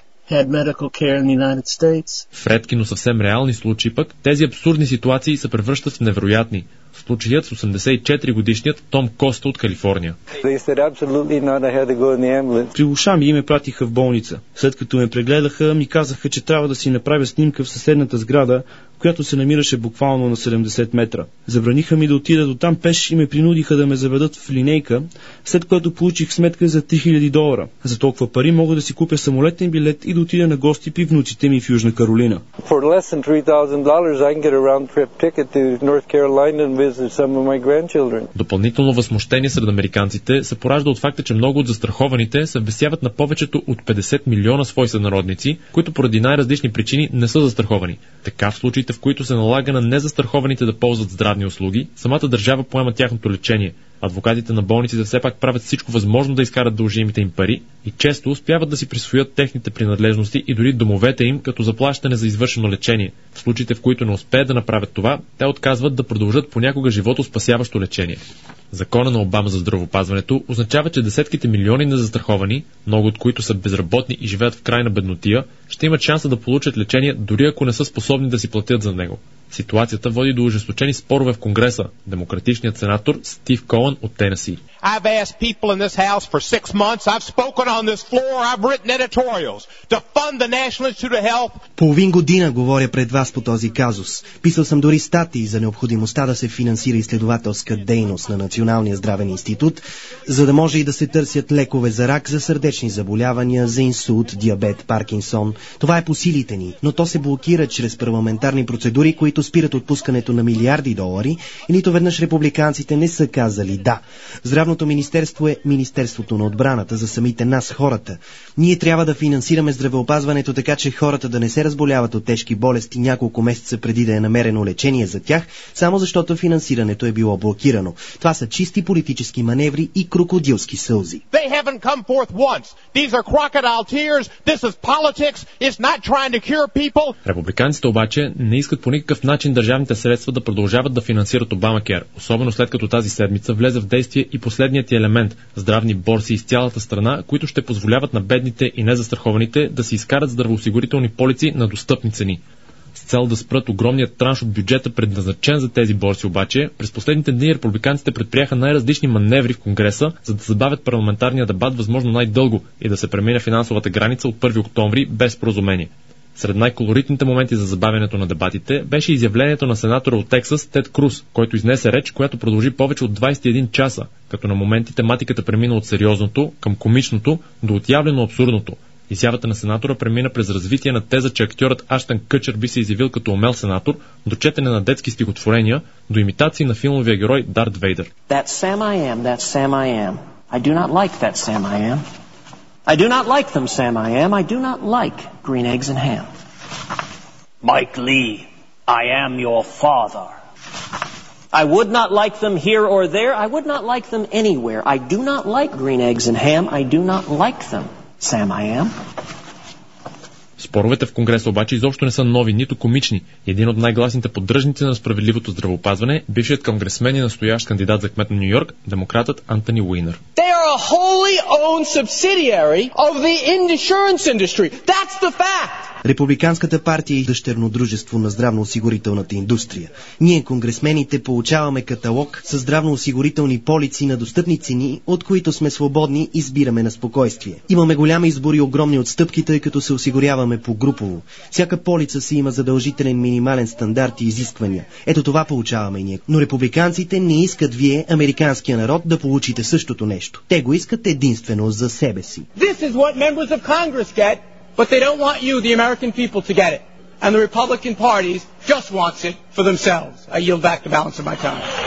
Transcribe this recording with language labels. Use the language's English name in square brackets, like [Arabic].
[English] Had medical care in the United States. [Bulgarian] В редки, но съвсем реални случаи пък, тези абсурдни ситуации се превръщат в невероятни. Случаят с 84-годишният Том Коста от Калифорния. При уша ми ме пратиха в болница. След като ме прегледаха, ми казаха, че трябва да си направя снимка в съседната сграда, която се намираше буквално на 70 метра. Забраниха ми да отида до там пеш и ме принудиха да ме заведат в линейка, след което получих сметка за 3000 долара. За толкова пари мога да си купя самолетен билет и да отида на гости при внуците ми в Южна Каролина. [English] For less than $3,000 I can get a round trip ticket to North Carolina and visit some of my grandchildren. [Bulgarian] Допълнително възмущение сред американците се поражда от факта, че много от застрахованите се вбесяват на повечето от 50 милиона свои сънародници, които поради най-различни причини не са застраховани. Така в в които се налага на незастрахованите да ползват здравни услуги, самата държава поема тяхното лечение. Адвокатите на болниците все пак правят всичко възможно да изкарат дължимите им пари и често успяват да си присвоят техните принадлежности и дори домовете им като заплащане за извършено лечение. В случаите, в които не успеят да направят това, те отказват да продължат понякога животоспасяващо лечение. Закона на Обама за здравеопазването означава, че десетките милиони незастраховани, много от които са безработни и живеят в крайна беднотия, ще имат шанса да получат лечение, дори ако не са способни да си платят за него. Ситуацията води до ужесточени спорове в Конгреса. Демократичният сенатор Стив Коан от Тенеси. [English] I've asked people in this house for 6 months. I've spoken on this floor. I've written editorials to fund the National Institute of Health. [Bulgarian] Половин година говоря пред вас по този казус. Писал съм дори статии за необходимостта да се финансира изследователска дейност на Националния здравен институт, за да може и да се търсят лекове за рак, за сърдечни заболявания, за инсулт, диабет, Паркинсон. Това е по силите ни, но то се блокира чрез парламентарни процедури, които спират отпускането на милиарди долари, и нито веднъж републиканците не са казали да. Здравното министерство е Министерството на отбраната за самите нас, хората. Ние трябва да финансираме здравеопазването така, че хората да не се разболяват от тежки болести няколко месеца преди да е намерено лечение за тях, само защото финансирането е било блокирано. Това са чисти политически маневри и крокодилски сълзи. [English] They haven't come forth once. These are crocodile tears. This is politics. It's not trying to cure people. [Bulgarian] Републиканците обаче не искат по никакъв начин държавните средства да продължават да финансират Обамакер, особено след като тази седмица влезе в действие и последният елемент – здравни борси из цялата страна, които ще позволяват на бедните и незастрахованите да си изкарат здравоосигурителни полици на достъпни цени. С цел да спрат огромният транш от бюджета, предназначен за тези борси обаче, през последните дни републиканците предприеха най-различни маневри в Конгреса, за да забавят парламентарния дебат възможно най-дълго и да се премине финансовата граница от 1 октомври без споразумение. Сред най-колоритните моменти за забавянето на дебатите беше изявлението на сенатора от Тексас Тед Круз, който изнесе реч, която продължи повече от 21 часа, като на моменти тематиката премина от сериозното към комичното до отявлено абсурдното. Изявата на сенатора премина през развитие на теза, че актьорът Аштън Кътчър би се изявил като умел сенатор, до четене на детски стихотворения, до имитации на филмовия герой Дарт Вейдър. [English] That's Sam I am, that's Sam I am. I do not like that Sam I am. I do not like them, Sam I am. I do not like green eggs and ham. Mike Lee, I am your father. I would not like them here or there. I would not like them anywhere. I do not like green eggs and ham. I do not like them, Sam I am. [Bulgarian] Споровете в Конгреса обаче изобщо не са нови, нито комични. Един от най-гласните поддръжници на справедливото здравеопазване, бившият конгресмен и настоящ кандидат за кмет на Ню Йорк, демократът Антони Уинър. [English] They are a wholly owned subsidiary of the insurance industry. That's the fact. [Bulgarian] Републиканската партия е дъщерно дружество на здравноосигурителната индустрия. Ние, конгресмените, получаваме каталог с здравноосигурителни полици на достъпни цени, от които сме свободни, избираме на спокойствие. Имаме голям избор и огромни отстъпки, тъй като се осигуряваме по групово. Всяка полица си има задължителен минимален стандарт и изисквания. Ето това получаваме ние. Но републиканците не искат вие, американския народ, да получите същото нещо. Те го искат единствено за себе си. [English] This is what members of Congress get. But they don't want you, the American people, to get it. And the Republican Party just wants it for themselves. I yield back the balance of my time.